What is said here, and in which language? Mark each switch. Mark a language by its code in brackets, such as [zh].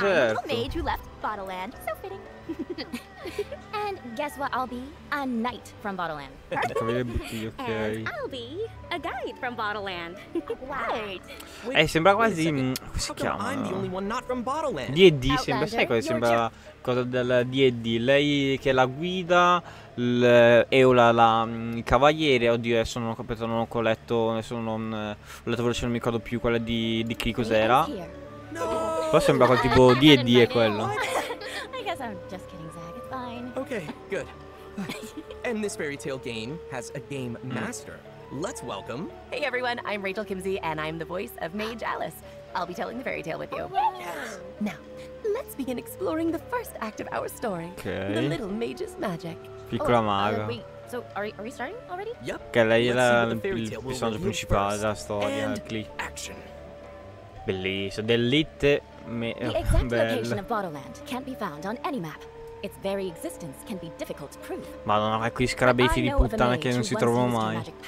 [en] a little mage who left Bottleland. So fitting. And guess what I'll be? A knight from Bottleland. Okay. And I'll be a guide from Bottleland. Right. [it] Sembra quasi... come si chiama? [en] I'm the only one not from Bottleland. [it] D&D sembra... Sai cosa sembra? Cosa del D&D. Lei che è la guida... Eola, la cavaliere, oddio, adesso non ho capito, non ho colletto, adesso non ho letto veloce, non mi ricordo più quella di chi cos'era. No! Però sembra quel tipo D&D è quello. [en] I guess I'm just kidding, Zach. It's fine. Okay, good. And this fairy tale game has a game master. Let's welcome. Hey everyone, I'm Rachel Kimsey and I'm the voice of Mage Alice. I'll be telling the fairy tale with you. Now, let's begin exploring the first act of our story. Okay. The little mage's magic. [it] Piccola maga. [en] Wait, so are we starting already? Yep. [it] Che lei è il personaggio principale della storia. Action. Bellissimo. Delitte. Bella. [en] The exact location of can't be found on any map. Its very existence can be difficult to prove. [it] Madonna, ecco gli scarabei di puttana che non si trovano mai.